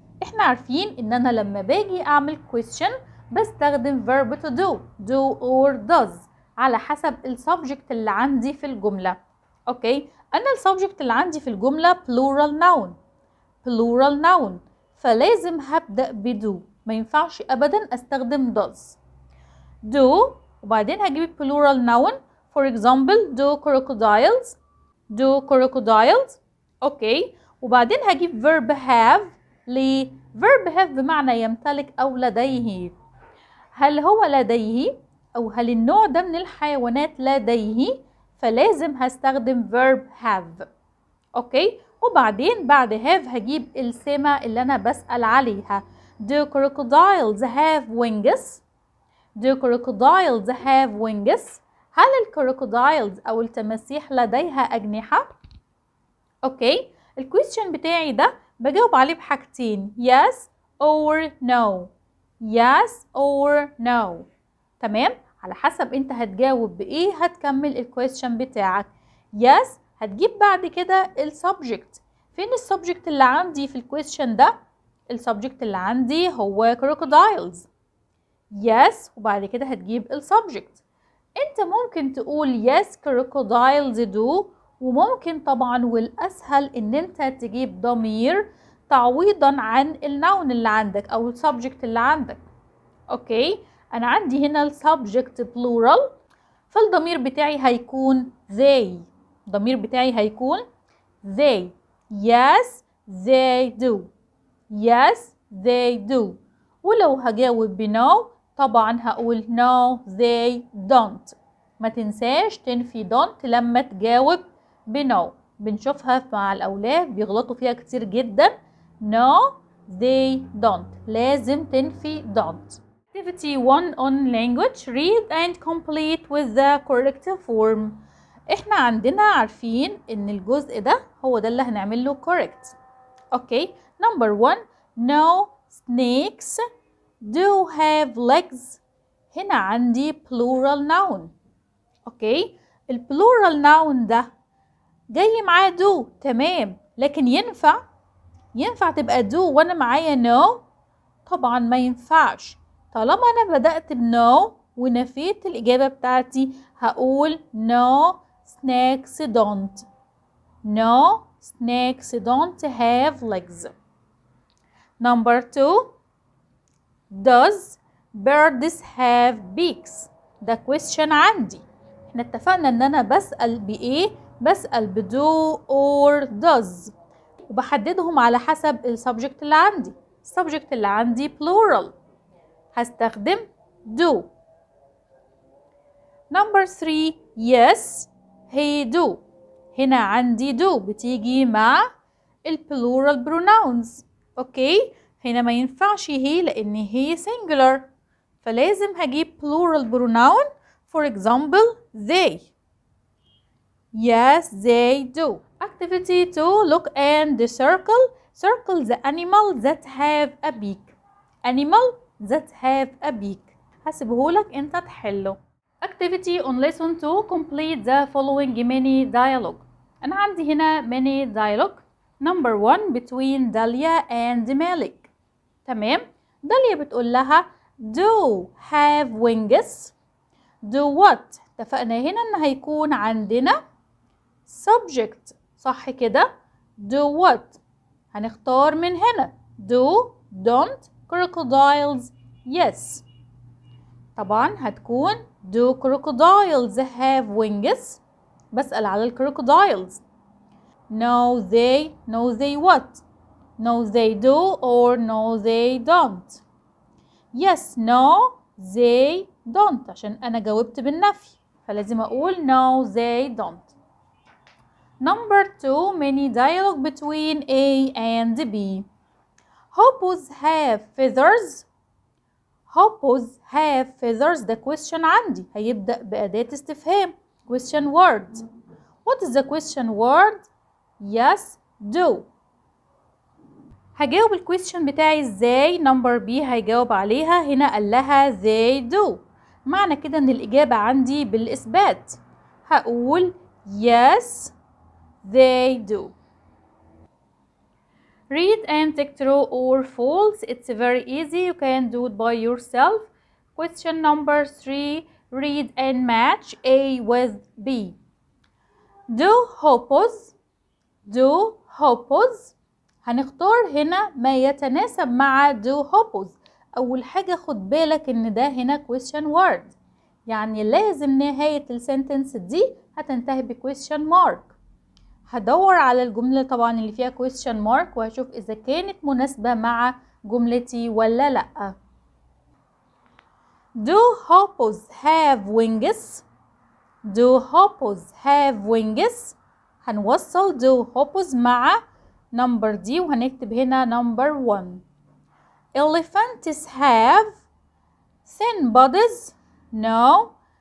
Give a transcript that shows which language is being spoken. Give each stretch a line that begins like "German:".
Arabic: احنا عارفين ان انا لما باجي اعمل question بستخدم verb to do، do or does، على حسب السبجكت اللي عندي في الجملة. اوكي، انا السبجكت اللي عندي في الجملة plural noun، plural noun، فلازم هبدأ بدو، ما ينفعش ابدا استخدم does.
English: do
Arabic: وبعدين هجيب
English: plural noun، for example do crocodiles، do crocodiles.
Arabic: اوكي، وبعدين هجيب verb have. ليه؟ verb have بمعنى يمتلك او لديه. هل هو لديه او هل النوع ده من الحيوانات لديه؟ فلازم هستخدم verb have. اوكي، وبعدين بعد have هجيب السمة اللي انا بسأل عليها.
English: do crocodiles have wings؟ do crocodiles have wings؟
Arabic: هل الكروكودايلز او التماسيح لديها اجنحة؟ اوكي، الكويستشن بتاعي ده بجاوب عليه بحاجتين،
English: yes or no، yes or no.
Arabic: تمام، على حسب انت هتجاوب بايه هتكمل الكويستشن بتاعك. yes هتجيب بعد كده السبجكت. فين السبجكت اللي عندي في الكويستشن ده؟ السبجكت اللي عندي هو crocodiles. yes وبعد كده هتجيب السبجكت. انت ممكن تقول
English: yes crocodiles do،
Arabic: وممكن طبعا والاسهل ان انت تجيب ضمير تعويضا عن الناون اللي عندك او السبجكت اللي عندك. اوكي، انا عندي هنا السبجكت بلورال، فالضمير بتاعي هيكون they، الضمير بتاعي هيكون they.
English: yes they do، yes they do.
Arabic: ولو هجاوب بنو طبعا هقول no they don't. ما تنساش تنفي don't لما تجاوب بنو، بنشوفها مع الأولاد بيغلطوا فيها كتير جدا.
English: no they don't،
Arabic: لازم تنفي
English: don't. activity 1 on language، read and complete with the correct form.
Arabic: احنا عندنا عارفين ان الجزء ده هو ده اللي هنعمل له correct.
English: okay, number 1 no snakes do have legs،
Arabic: هنا عندي
English: plural noun.
Arabic: اوكي، البلورال noun ده جاي معاه دو، تمام، لكن ينفع؟ ينفع تبقى دو وانا معايا نو؟ طبعا ما ينفعش. طالما انا بدأت بنو ونفيت الاجابة بتاعتي هقول
English: No snakes don't، no snakes don't have legs. number two Does birds have beaks؟
Arabic: ده question عندي. احنا اتفقنا ان انا بسأل بايه؟ بسأل بدو or does، وبحددهم على حسب السبجكت اللي عندي. السبجكت اللي عندي plural، هستخدم do.
English: Number three, yes he do.
Arabic: هنا عندي do بتيجي مع
English: plural pronouns.
Arabic: اوكي، هنا ما ينفعش هي لان هي singular، فلازم هجيب plural pronoun.
English: For example they. Yes they do. Activity 2, look and the circle. Circle the animal that have a beak. Animal that have a beak.
Arabic: هسيبهولك انت تحله.
English: Activity on lesson 2, complete the following mini dialogue.
Arabic: انا عندي هنا
English: mini dialogue. Number 1, between Dahlia and Malik.
Arabic: تمام؟ داليا بتقول لها do have wings.
English: Do what؟
Arabic: اتفقنا هنا ان هيكون عندنا subject، صح كده؟ do what؟ هنختار من هنا do، don't، crocodiles، yes. طبعا هتكون do crocodiles have wings؟ بسأل على الكروكودايلز.
English: No they، no they what؟ No they do or no they don't. Yes no they don't،
Arabic: عشان انا جاوبت بالنفي فلازم اقول no they don't.
English: Number 2, mini dialogue between A and B. Hoppus have feathers. Hoppus have feathers.
Arabic: The question عندي هيبدأ بأداة استفهام.
English: Question word. What is the question word? Yes, do.
Arabic: هجاوب الquestion بتاعي ازاي؟ Number B هيجاوب عليها. هنا قال لها
English: they do.
Arabic: معنى كده ان الإجابة عندي بالإثبات. هقول
English: yes they do. Read and tick true or false. It's very easy. You can do it by yourself. Question number 3. Read and match A with B. Do hoppus. Do hoppus.
Arabic: هنختار هنا ما يتناسب مع do hoppus. أول حاجة خد بالك إن ده هنا question word، يعني لازم نهاية السنتنس دي هتنتهي بquestion mark. هدور على الجملة طبعا اللي فيها question mark وهشوف إذا كانت مناسبة مع جملتي ولا لأ.
English: Do hoppus have wings؟ Do hoppus have wings؟
Arabic: هنوصل do hoppus مع number D وهنكتب هنا number
English: 1. Elephants have thin bodies؟ No.